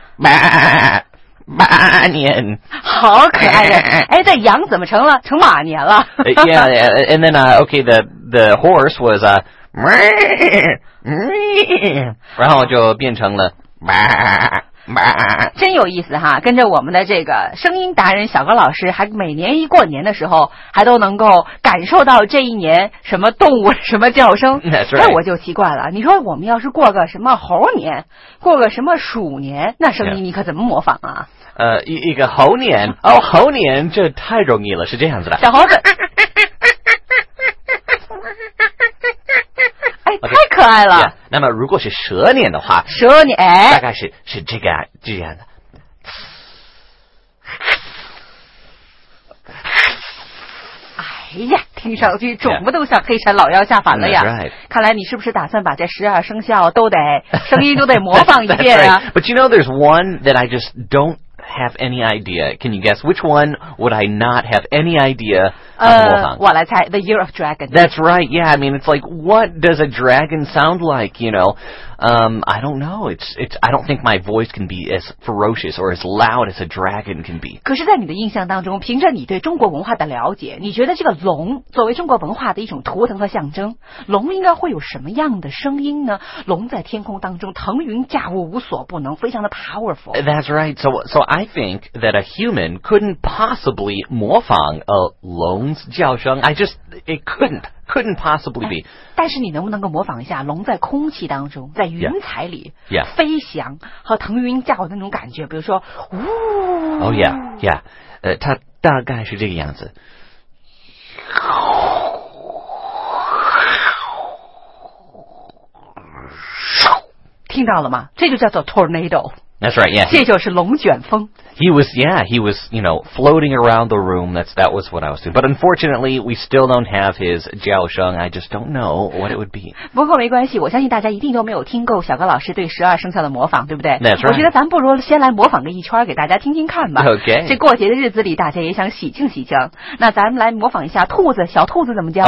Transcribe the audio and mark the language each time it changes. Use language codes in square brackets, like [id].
[zh] 马年，好可爱呀！哎，这羊怎么成马年了 [en] ？Yeah, and then okay, the horse was a meh, [zh] 然后就变成了马。真有意思哈，跟着我们的这个声音达人小高老师还每年一过年的时候还都能够感受到这一年什么动物什么叫声。 [en] That's right. [zh] 那我就奇怪了，你说我们要是过个什么猴年，过个什么鼠年，那声音你可怎么模仿啊？一个猴年，哦，猴年这太容易了，是这样子的，小猴子。 [en] Okay, [zh] 太可爱了。 Yeah, 那么，如果是蛇年的话，蛇年、哎、大概是这个这样的。哎呀，听上去怎么都像黑山老妖下凡了呀！ [en] Yeah, that's right. [zh] 看来你是不是打算把这十二生肖都得声音都得模仿一遍啊 [en] that's right. ？But you know, there's one that I just don't have any idea. Can you guess which one would I not have any idea? [zh] 我来猜 [en] the year of dragon. That's right. Yeah, I mean, it's like, what does a dragon sound like? You know, I don't know. It's. I don't think my voice can be as ferocious or as loud as a dragon can be. [zh] 可是，在你的印象当中，凭着你对中国文化的了解，你觉得这个龙作为中国文化的一种图腾和象征，龙应该会有什么样的声音呢？龙在天空当中腾云驾雾，无所不能，非常的 powerful. [en] That's right. So I think that a human couldn't possibly [zh] 模仿 [en] a long. 龙's [zh] 叫声 [en] it couldn't possibly be. [zh] 但是你能不能够模仿一下龙在空气当中在云彩里 [en] yeah. [zh] 飞翔和腾云驾雾的那种感觉，比如说呜 [en] oh yeah, yeah. [zh] 它大概是这个样子。听到了吗？这就叫做 tornado. [en] That's right, yeah. [zh] 这就是龙卷风。 [en] He was, you know, floating around the room. That was what I was doing. But unfortunately, we still don't have his 叫声. I just don't know what it would be. [zh] 不过没关系，我相信大家一定都没有听够小高老师对十二生肖的模仿，对不对 [en] ？That's right. [zh] 我觉得咱不如先来模仿个一圈，给大家听听看吧。 [en] Okay. [zh] 这过节的日子里，大家也想喜庆喜庆。那咱们来模仿一下兔子，小兔子怎么叫